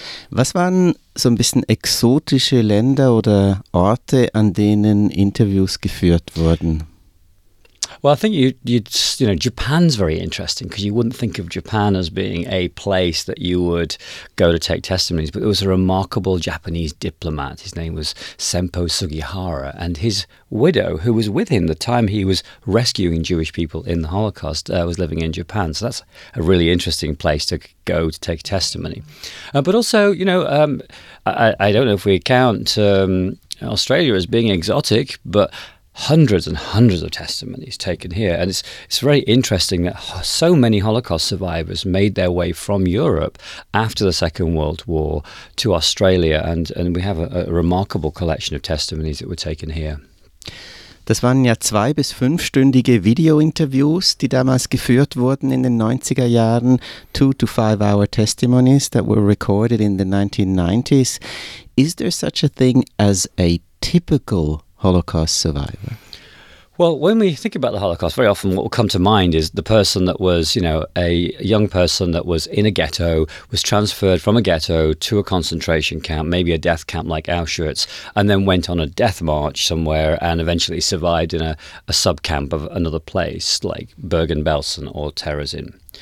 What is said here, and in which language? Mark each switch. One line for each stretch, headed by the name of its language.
German: Was waren so ein bisschen exotische Länder oder Orte, an denen Interviews geführt wurden?
English: Well, I think you Japan's very interesting because you wouldn't think of Japan as being a place that you would go to take testimonies. But there was a remarkable Japanese diplomat. His name was Senpo Sugihara, and his widow, who was with him the time he was rescuing Jewish people in the Holocaust, was living in Japan. So that's a really interesting place to go to take testimony. But also, I don't know if we count Australia as being exotic, but hundreds and hundreds of testimonies taken here. And it's very interesting that so many Holocaust survivors made their way from Europe after the Second World War to Australia. And we have a remarkable collection of testimonies that were taken here.
German: Das waren ja 2- bis 5-stündige Video-Interviews, die damals geführt wurden in den 90er Jahren.
English: 2- to 5-hour testimonies that were recorded in the 1990s. Is there such a thing as a typical Holocaust survivor? Well, when we think about the Holocaust, very often what will come to mind is the person that was, a young person that was in a ghetto, was transferred from a ghetto to a concentration camp, maybe a death camp like Auschwitz, and then went on a death march somewhere and eventually survived in a sub-camp of another place like Bergen-Belsen or Terezin.